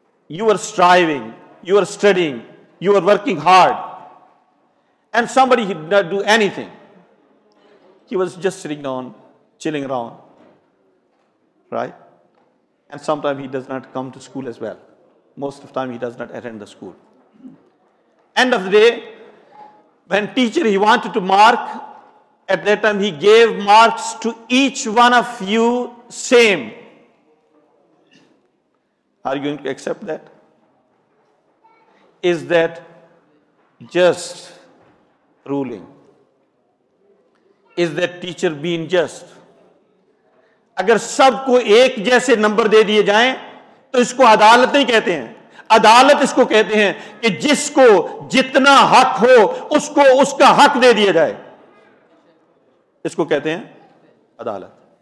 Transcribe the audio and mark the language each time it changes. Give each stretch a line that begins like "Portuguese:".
English: you are striving, you are studying, you are working hard, and somebody did not do anything, he was just sitting down, chilling around, right, and sometimes he does not come to school as well, most of the time he does not attend the school. End of the day, when teacher he wanted to mark, at that time he gave marks to each one of you same. Are you going to accept that? Is that just ruling? Is that teacher being just?
Urdu: اگر سب کو ایک جیسے number دے دیے جائیں تو اس کو عدالت نہیں کہتے ہیں، عدالت اس کو کہتے ہیں کہ جس کو جتنا حق ہو اس کو اس کا حق دے دیا جائے۔ इसको कहते हैं अदालत।